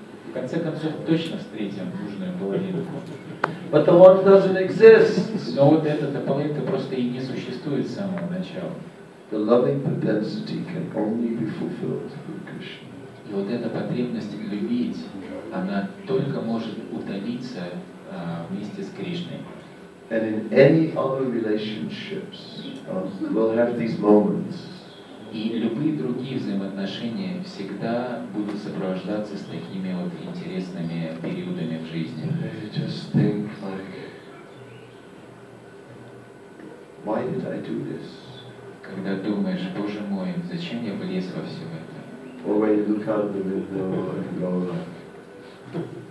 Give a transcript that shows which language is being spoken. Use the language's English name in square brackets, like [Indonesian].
[Russian] в конце концов, точно встретим нужную половинку. [English] But the one doesn't exist. [Russian] Но вот эта половинка просто и не существует с самого начала. [English] The loving propensity can only be fulfilled through Krishna. [Russian] И вот эта потребность любить, она только может утолиться вместе с Кришной. [English] And in any other relationships, we'll have these moments. [Russian] И любые другие взаимоотношения всегда будут сопровождаться с такими вот интересными периодами в жизни. [English] Just think like, why did I do this? [Russian] Когда думаешь, Боже мой, зачем я влез во все это? [English] Or when you look out the window and go like,